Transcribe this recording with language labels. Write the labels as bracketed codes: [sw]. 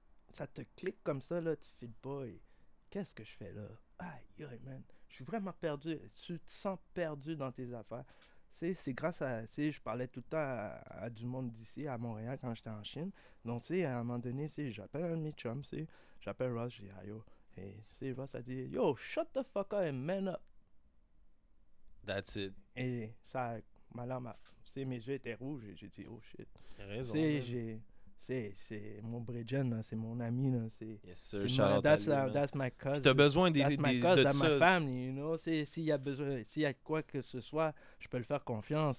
[fr] Ça te clique comme ça, là, tu files pas. Qu'est-ce que je fais là? Aïe, aïe, man. Je suis vraiment perdu. Tu te sens perdu dans tes affaires. C'est grâce à. Je parlais tout le temps à du monde d'ici, à Montréal, quand j'étais en Chine. Donc, tu sais, à un moment donné, j'appelle un de mes chums, j'appelle Ross, je dis, ah, yo. Et, tu sais, Ross a dit, yo, [en] shut the fuck up and man up. That's it. [fr] Et ça, ma larme, mes yeux étaient rouges et j'ai dit, [en] oh shit. [fr] T'as raison. J'ai. C'est mon Bridgen, là, c'est mon ami. Là, c'est, [en] yes, sir. Shout out to you. That's my cousin. [fr] Tu as besoin des [en] That's my cousin, that's my family. You know? [fr] S'il y a besoin, s'il y a quoi que ce soit, je peux le faire confiance.